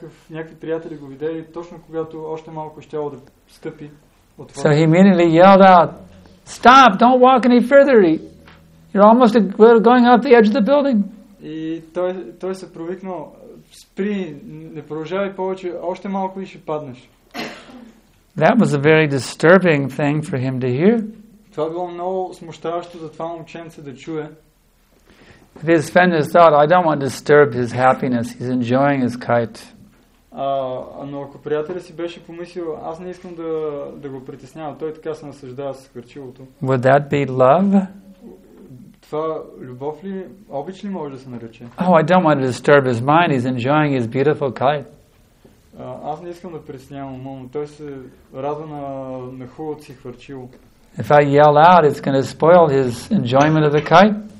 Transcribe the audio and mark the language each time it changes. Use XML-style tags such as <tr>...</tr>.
<bg>Някакви приятели го видели точно когато още малко щяло да стъпи.</bg> <en>So he immediately yelled out, stop, don't walk any further. You're almost going off the edge of the building.</en> <bg>И той се провикнал, спри, не продължавай повече, още малко и ще паднеш.</bg> <en>That was a very disturbing thing for him to hear.</en> <bg>Това било много смущаващо за това момченце да чуе.</bg> <en>His friend has thought, I don't want to disturb his happiness. He's enjoying his kite.</en> <bg>Но ако приятелят си беше помислил, аз не искам да го притеснявам. Той така се наслаждава с хвърчилото.</bg> <en>Would that be love?</en> <bg>Това любов ли, обич ли може да се нарече?</bg> <en>Oh, I don't want to disturb his mind. He's enjoying his beautiful kite.</en> <bg>Аз не искам да притеснявам ума му. Той се радва на хубавото си хвърчило.</bg> <en>If I yell out, it's going to spoil his enjoyment of the kite.</en>